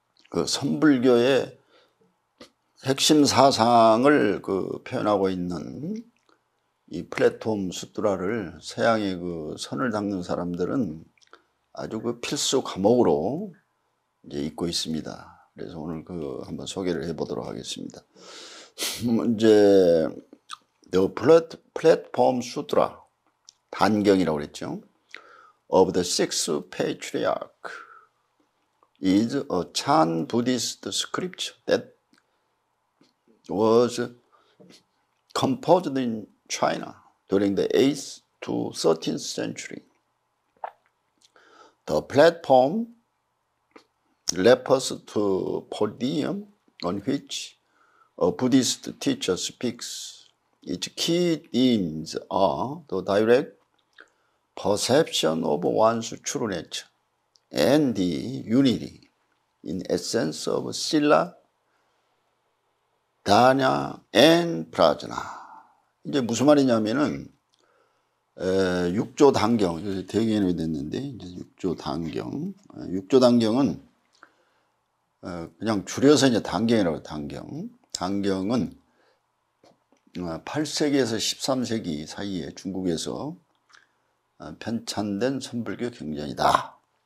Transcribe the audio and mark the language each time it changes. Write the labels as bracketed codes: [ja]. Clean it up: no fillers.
[ko] 그 선불교의 핵심 사상을 그 표현하고 있는 이 플랫폼 수뚜라를 서양의 그 선을 닦는 사람들은 아주 그 필수 과목으로 이제 읽고 있습니다. 그래서 오늘 그 한번 소개를 해보도록 하겠습니다. 이제 플랫폼 수뚜라 단경이라고 그랬죠. [en] Of the six patriarch is a Chan Buddhist scripture that was composed in China during the 8th to 13th century. The platform refers to a podium on which a Buddhist teacher speaks. Its key themes are the direct perception of one's true nature and the unity in essence of Sila, Dhanya and Prajna. [ko] 이제 무슨 말이냐면은, 6조 단경, 대경이 됐는데, 이제 6조 단경. 6조 단경은, 그냥 줄여서 이제 단경이라고, 단경. 단경은 8세기에서 13세기 사이에 중국에서 편찬된 선불교 경전이다.